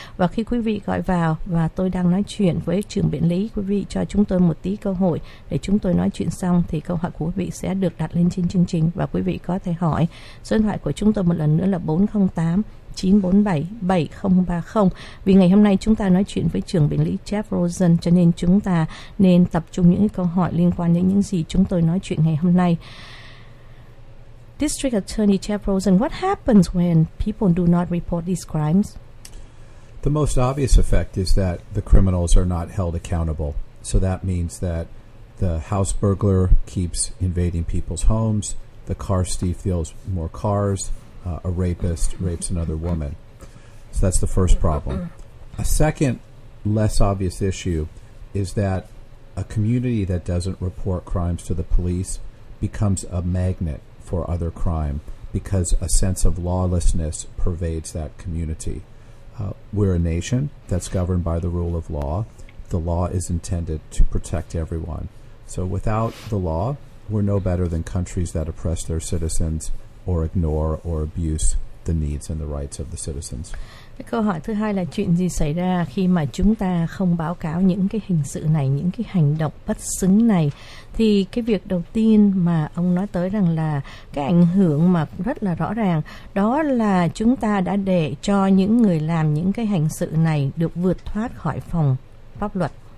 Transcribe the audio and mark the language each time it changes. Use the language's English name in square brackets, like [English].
[Vietnamese] Và khi quý vị gọi vào và tôi đang nói chuyện với trưởng biện lý, quý vị cho chúng tôi một tí cơ hội để chúng tôi nói chuyện xong thì câu hỏi của quý vị sẽ được đặt lên trên chương trình và quý vị có thể hỏi. Số điện thoại của chúng tôi một lần nữa là 408-947-7030. Vì ngày hôm nay chúng ta nói chuyện với trưởng biện lý Jeff Rosen, cho nên chúng ta nên tập trung những câu hỏi liên quan đến những gì chúng tôi nói chuyện ngày hôm nay. [English] District Attorney Jeff Rosen, what happens when people do not report these crimes? The most obvious effect is that the criminals are not held accountable. So that means that the house burglar keeps invading people's homes, the car thief steals more cars, a rapist rapes another woman. So that's the first problem. A second, less obvious issue is that a community that doesn't report crimes to the police becomes a magnet for other crime because a sense of lawlessness pervades that community. We're a nation that's governed by the rule of law. The law is intended to protect everyone. So without the law, we're no better than countries that oppress their citizens or ignore or abuse the needs and the rights of the citizens. [Vietnamese] Câu hỏi thứ hai là chuyện gì xảy ra khi mà chúng ta không báo cáo những cái hình sự này, những cái hành động bất xứng này? Thì cái việc đầu tiên mà ông nói tới rằng là cái ảnh hưởng mà rất là rõ ràng, đó là chúng ta đã để cho những người làm những cái hành sự này được vượt thoát khỏi phòng pháp luật.